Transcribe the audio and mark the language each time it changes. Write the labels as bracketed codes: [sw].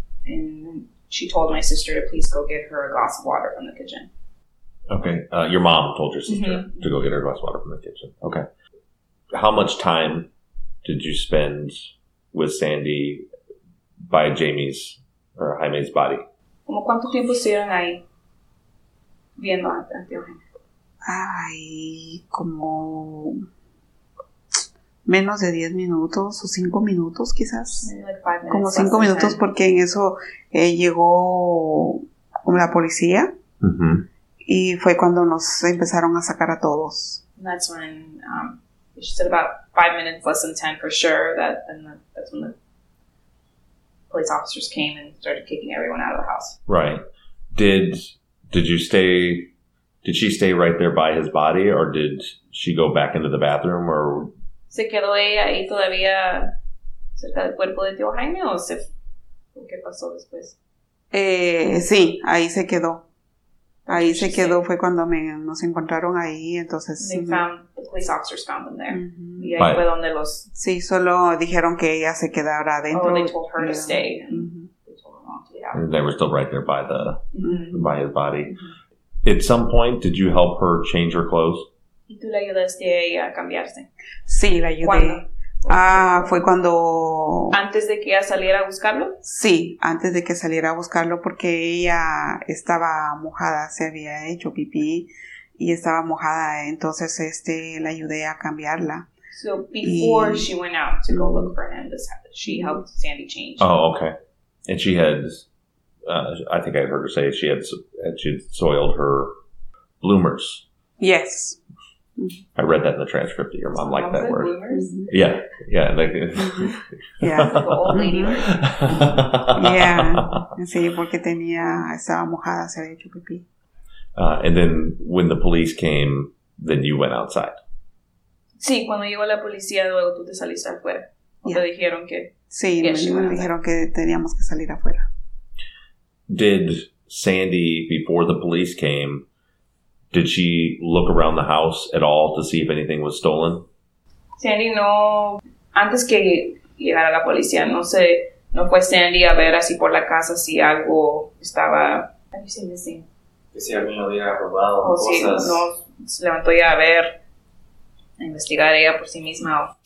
[en] And she told my sister to please go get her a glass of water from the kitchen. Okay. Your mom told your sister to go get her a glass of water from the kitchen. Okay. How much time did you spend with Sandy by Jamie's or Jaime's body? [es] ¿Cómo cuánto tiempo estuvieron ahí viendo ante Jaime? Ay, como menos de 10 minutos o 5 minutos quizás. [en] Like 5 minutes, [es] como 5 minutos, porque en eso llegó la policía. Mm-hmm. Y fue cuando nos empezaron a sacar a todos. [en] That's when she said about 5 minutes, less than 10 for sure, that's when the police officers came and started kicking everyone out of the house. Right. Did she stay right there by his body, or did she go back into the bathroom, or? [es] ¿Se quedó ella ahí todavía cerca del cuerpo de tío Jaime, o se qué pasó después? Sí, ahí se quedó. Ahí se quedó, fue cuando nos encontraron ahí, entonces... [en] The police officers found them there. Mm-hmm. [es] Y ahí fue donde los... Sí, solo dijeron que ella se quedara adentro. [en] Oh, they told her to stay. And they told her mom to get out. And they were still right there by the by his body. Mm-hmm. At some point, did you help her change her clothes? [es] ¿Y tú le ayudaste a ella a cambiarse? Sí, la ayudé. ¿Cuándo? Fue cuando... ¿Antes de que ella saliera a buscarlo? Sí, antes de que saliera a buscarlo, porque ella estaba mojada, se había hecho pipí y estaba mojada, entonces la ayudé a cambiarla. [en] So, before she went out to go look for him, she helped Sandy change. Oh, okay. And she had, I think I heard her say, she had soiled her bloomers. Yes. I read that in the transcript that your mom liked that word. Bloomers? Yeah, yeah, yeah. The old lady. [es] Yeah, sí, porque tenía estaba mojada, se había hecho pipí. [en] And then when the police came, then you went outside. [es] Sí, cuando llegó la policía, luego tú te saliste afuera. Yeah. Te dijeron que sí, me dijeron que teníamos que salir afuera. [en] Did Sandy, before the police came, did she look around the house at all to see if anything was stolen? [es] Sandy, no. Antes que llegara la policía, no sé. No fue Sandy a ver así por la casa si algo estaba... ¿Qué dice? Que si alguien había robado cosas. Sí, no, se levantó ya a ver, a investigar ella por sí misma.